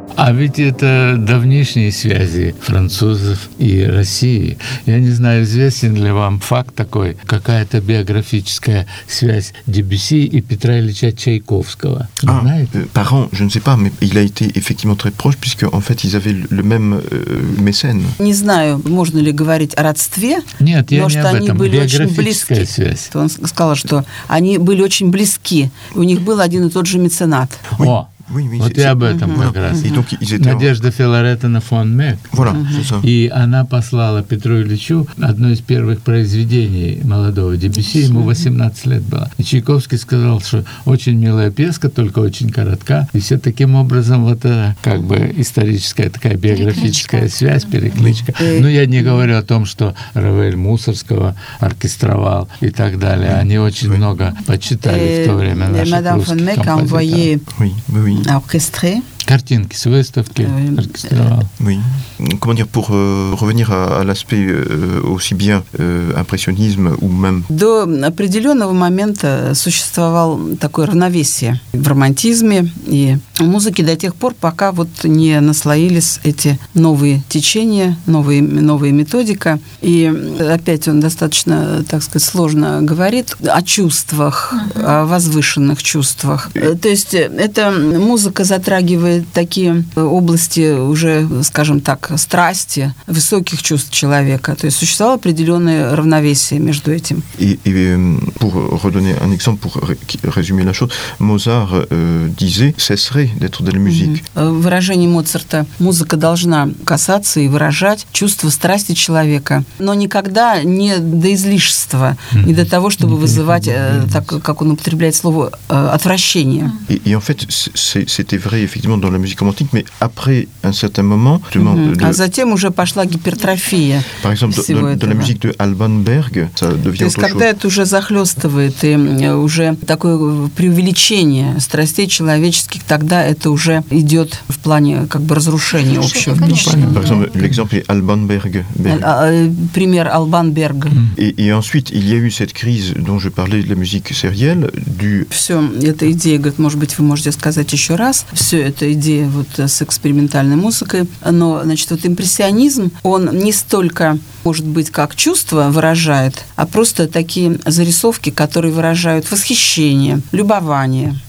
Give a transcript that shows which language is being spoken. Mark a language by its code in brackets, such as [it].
[ru] ведь это давнишние связи французов и России. Я не знаю, известен ли вам факт такой, какая-то биографическая связь Дебюсси и Петра Ильича Чайковского. Вы знаете? [fr] Parent, je ne sais pas, mais il a été effectivement très proche, puisque en fait ils avaient le même mécène. [ru] Не знаю, можно ли говорить о родстве. Нет, я не об этом. Но что они были очень близки. Связь. Он сказал, что они были очень близки. У них был один и тот же меценат. О! Вот и об этом как раз. Надежда Филаретана фон Мек. И она послала Петру Ильичу одно из первых произведений молодого Дебюсси. Ему 18 лет было. И Чайковский сказал, что очень милая пьеска, только очень коротка. И все таким образом вот это как бы историческая такая биографическая связь, перекличка. Но я не говорю о том, что Равель Мусоргского оркестровал и так далее. Они очень много почитали в то время наших русских композиторов. Оркестре. Картинки с выставки. [fr] Oui. Comment dire, pour revenir à l'aspect aussi bien impressionnisme ou même... [ru] До определенного момента существовал такое равновесие в романтизме и музыке до тех пор, пока вот не наслоились эти новые течения, новые методика. И опять он достаточно, так сказать, сложно говорит о чувствах, о возвышенных чувствах. То есть эта музыка затрагивает такие области уже, скажем так, страсти, высоких чувств человека. То есть существовало определенное равновесие между этим. И [fr] pour redonner un exemple, pour résumer la chose, Mozart disait, cesserait d'être de la musique. [ru] Выражение Моцарта: музыка должна касаться и выражать чувства, страсти человека, но никогда не до излишества, не до того, чтобы вызывать, так как он употребляет слово, отвращение. И [fr] en fait, c'était vrai, effectivement, la musique romantique, mais après un certain moment... [ru] А затем уже пошла гипертрофия всего [fr] Par exemple, de la musique de Alban Berg, ça devient autre chose. [ru] То есть, когда это уже захлёстывает, и уже такое преувеличение страстей человеческих, тогда это уже идёт в плане как бы разрушения общего впечатления. [fr] Par exemple, l'exemple est Alban Berg. [ru] Пример Alban Berg. И [fr] ensuite, il y a eu cette crise dont je parlais de la musique sérielle, du... [ru] Всё, эта идея, говорит, может быть, вы можете сказать ещё раз, всё это идея вот с экспериментальной музыкой, но, значит, вот импрессионизм, он не столько, может быть, как чувство выражает, а просто такие зарисовки, которые выражают восхищение, любование.